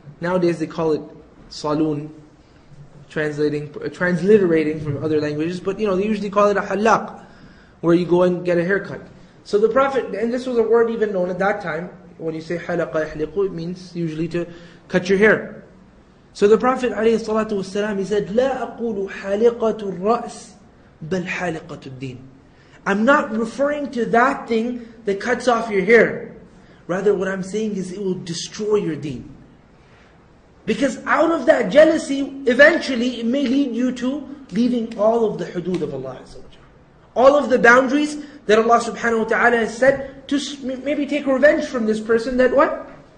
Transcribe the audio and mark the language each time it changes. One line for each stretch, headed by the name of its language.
English: Nowadays they call it saloon, transliterating from other languages, but you know, they usually call it a حلاق, where you go and get a haircut. So the Prophet, and this was a word even known at that time, when you say
Arabic: حَلَقَ يَحْلِقُ,
English: it means usually to cut your hair. So the Prophet
Arabic: عليه الصلاة والسلام,
English: he said,
Arabic: لَا أَقُولُ حَلِقَةُ الرَّأْسِ بَلْ حَلِقَةُ الدِّينِ.
English: I'm not referring to that thing that cuts off your hair. Rather, what I'm saying is it will destroy your deen. Because out of that jealousy, eventually it may lead you to leaving all of the hudud of Allah, all of the boundaries that Allah subhanahu wa ta'ala has set to maybe take revenge from this person that what?